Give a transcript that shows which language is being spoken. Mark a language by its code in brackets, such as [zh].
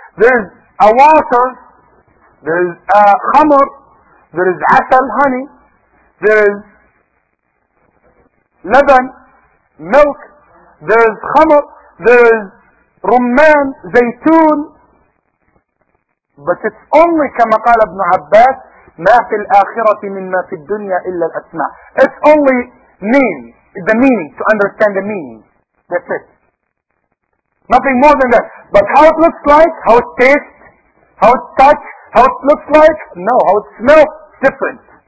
[en] There is a water, there is a khamr, there is asal, honey, there is laban, milk, there is khamr, there is rumman, zaytun. But it's only, [ar] كما قال ابن عباس, ما في الآخرة مما في الدنيا إلا الأسماء. [en] It's only mean, the meaning, to understand the meaning. That's it. Nothing more than that. But how it looks like, how it tastes, how it touches, how it looks like, no, how it smells, different.